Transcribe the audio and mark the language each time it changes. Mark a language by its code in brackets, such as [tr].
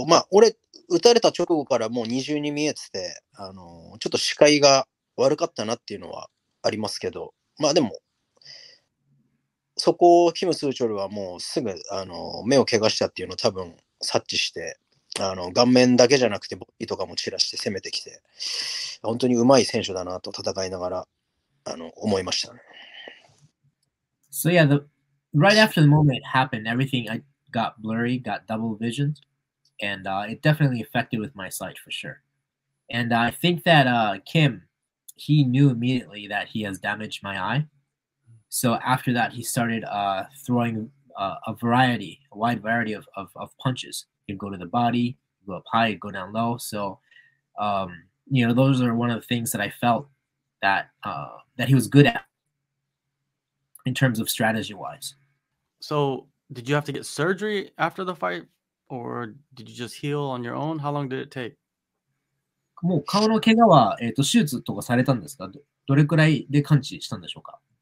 [ja] 俺打たれた直後からもう二重に見えてて、ちょっと視界が悪かったなっていうのはありますけど、でもそこをキム・スーチョルはもうすぐ目を怪我したっていうのを多分察知して、顔面だけじゃなくてボディとかも散らして攻めてきて、本当に上手い選手だなと戦いながら思いましたね。 [en] So yeah, right after the moment happened, everything got blurry, got double vision, and it definitely affected with my sight for sure. And I think that Kim, he knew immediately that he has damaged my eye. So after that, he started throwing a wide variety of punches. You go to the body, go up high, go down low. So, those are one of the things that I felt that he was good at in terms of strategy-wise. So did you have to get surgery after the fight, or did you just heal on your own? How long did it take? [ja] もう顔の怪我は、手術とかされたんですか？どれくらいで完治したんでしょうか？